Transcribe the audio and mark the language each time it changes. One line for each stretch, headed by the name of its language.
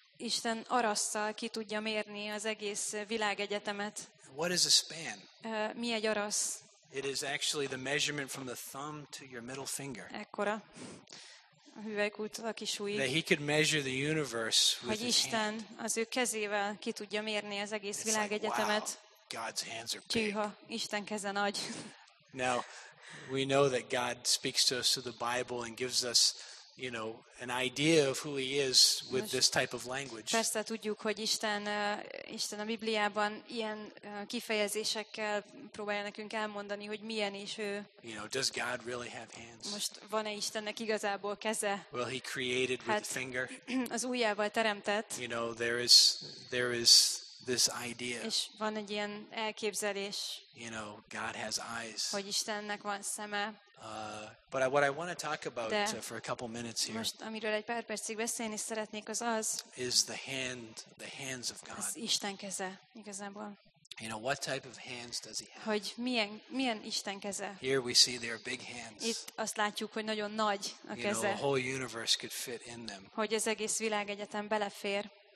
Hungarian: Isten arasszal ki tudja mérni az egész világegyetemet.
English: What is a span?
Hungarian: Mi egy arasz?
English: It is actually the measurement from the thumb to your middle finger.
Hungarian: Ekkora.
English: That he could measure the universe with his hand.
Hungarian: Hogy Isten az ő kezével ki tudja mérni az egész világegyetemet.
English: God's hands are big.
Hungarian: Tűha, Isten keze nagy.
English: Now, we know that God speaks to us through the Bible and gives us, you know, an idea of who he is with this type of language.
Hungarian: Persze tudjuk, hogy Isten a Bibliában ilyen kifejezésekkel próbálja nekünk elmondani, hogy milyen is ő.
English: You know, does God really have hands?
Hungarian: Most van-e Istennek igazából keze?
English: Well, he created with a finger.
Hungarian: Az ujjával teremtett.
English: You know, there is this idea.
Hungarian: És van egy ilyen elképzelés.
English: You know, God has eyes.
Hungarian: Hogy Istennek van szeme.
English: But what I want to talk about for a couple minutes here.
Hungarian: Most amiről egy pár percig beszélni szeretnék, az
English: is the hands of God.
Hungarian: Az Isten keze, igazából.
English: You know, what type of hands does he have?
Hungarian: Hogy milyen Isten keze?
English: Here we see they are big hands.
Hungarian: Itt azt látjuk, hogy nagyon nagy a keze.
English: You know, the whole universe could fit in them.
Hungarian: Hogy az egész világegyetem belefér.